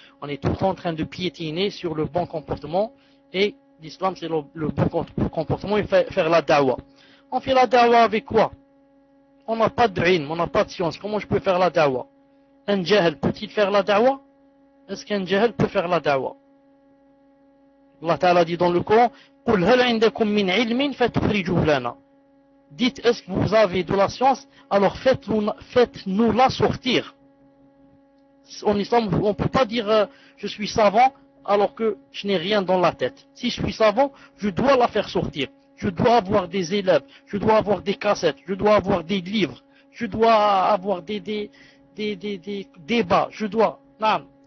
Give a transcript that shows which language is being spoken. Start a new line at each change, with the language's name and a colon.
French: On est tout le temps en train de piétiner sur le bon comportement. Et l'islam, c'est le bon comportement et faire la dawa. On fait la dawa avec quoi? On n'a pas de ilm, on n'a pas de science. Comment je peux faire la dawa? Un jahel peut-il faire la dawa? Est-ce qu'un jahel peut faire la dawa? Allah Ta'ala dit dans le Coran,
Arabic: قُلْ هَلْ عِنْدَكُمْ مِنْ عِلْمٍ فَتُخْرِجُوا لَنَا.
French: Dites, est-ce que vous avez de la science? Alors faites-nous la sortir. En islam, on ne peut pas dire je suis savant alors que je n'ai rien dans la tête. Si je suis savant, je dois la faire sortir. Je dois avoir des élèves, je dois avoir des cassettes, je dois avoir des livres, je dois avoir des débats, je dois. Non.